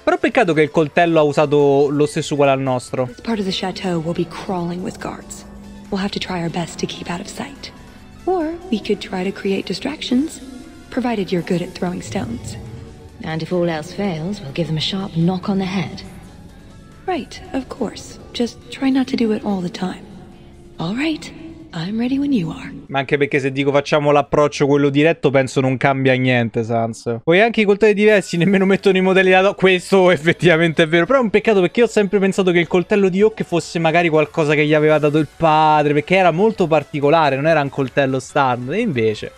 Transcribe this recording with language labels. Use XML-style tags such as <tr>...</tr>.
<it>Però peccato che il coltello ha usato lo stesso uguale al nostro.</it> <en>This part of the chateau will be crawling with guards. We'll have to try our best to keep out of sight. Or we could try to create distractions, provided you're good at throwing stones. And if all else fails, we'll give them a sharp knock on the head. Right, of course. Just try not to do it all the time. All right, I'm ready when you are.</en> <it>Ma anche perché se dico facciamo l'approccio quello diretto, penso non cambia niente, Sans. Poi anche i coltelli diversi nemmeno mettono i modelli da... Questo effettivamente è vero. Però è un peccato perché io ho sempre pensato che il coltello di Hawk fosse magari qualcosa che gli aveva dato il padre. Perché era molto particolare, non era un coltello standard. E invece...</it>